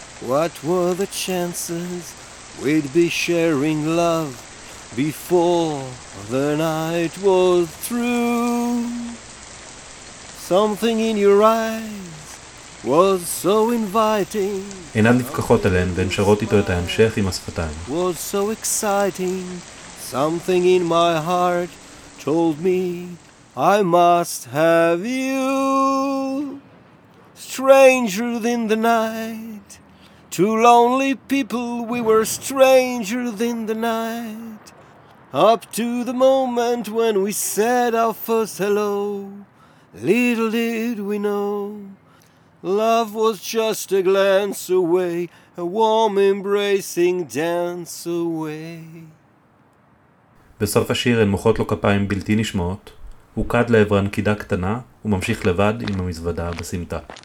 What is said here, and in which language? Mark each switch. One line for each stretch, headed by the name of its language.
English: What were the chances we'd be sharing love before the night was through? Something in your eyes was so inviting.
Hebrew: אינן נפקחות עליהן והן שרות איתו את ההמשך עם השפתיים.
English: Was so exciting. Something in my heart told me I must have you. strangers in the night. Two lonely people, we were strangers in the night. Up to the moment when we said our first hello, little did we know, love was just a glance away, a warm embracing dance away.
Hebrew: בסוף השיר הן מוחות לו כפיים בלתי נשמעות, הוא קד לעברן קידה קטנה וממשיך לבד עם המזוודה בסמטה.